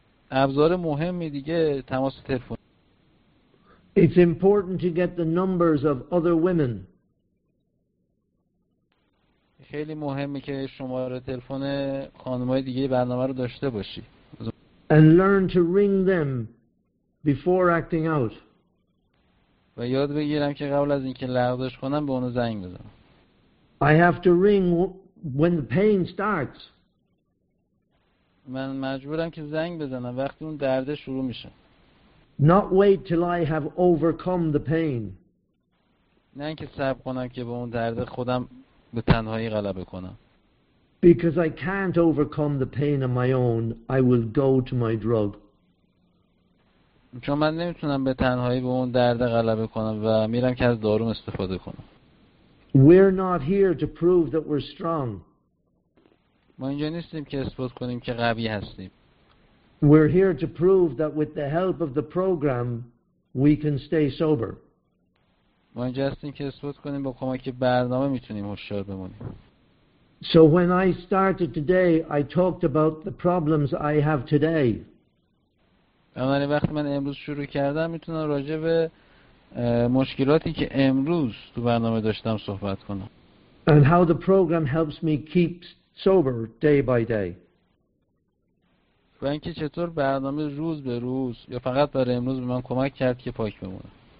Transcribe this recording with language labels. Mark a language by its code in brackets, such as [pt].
[fa] ابزار مهمی دیگه تماس تلفن. [en] It's important to get the numbers of other women. [fa] خیلی مهمه که شماره تلفن خانم‌های دیگه برنامه رو داشته باشی. [en] And learn to ring them before acting out. [fa] و یاد بگیرم که قبل از اینکه لغزش کنم به اون زنگ بزنم. [en] I have to ring when the pain starts. [fa] من مجبورم که زنگ بزنم وقتی اون درد شروع میشه. [en] Not wait till I have overcome the pain. [fa] نه اینکه صبر کنم که به اون درد خودم به تنهایی غلبه کنم. [en] Because I can't overcome the pain on my own, I will go to my drug. [fa] چون من نمیتونم به تنهایی به اون درد غلبه کنم و میرم که از داروم استفاده کنم. [en] We're not here to prove that we're strong. [fa] ما اینجا نیستیم که اثبات کنیم که قوی هستیم. [en] We're here to prove that with the help of the program we can stay sober. [fa] ما اینجا هستیم که اثبات کنیم با کمک برنامه میتونیم هوشیار بمونیم. [en] So when I started today I talked about the problems I have today. [fa] من وقتی من امروز شروع کردم میتونم راجع به مشکلاتی که امروز تو برنامه داشتم صحبت کنم. [en] And how the program helps me keep sober day by day. [fa] و اینکه چطور برنامه روز به روز یا فقط برای امروز به من کمک کرد که پاک بمونم.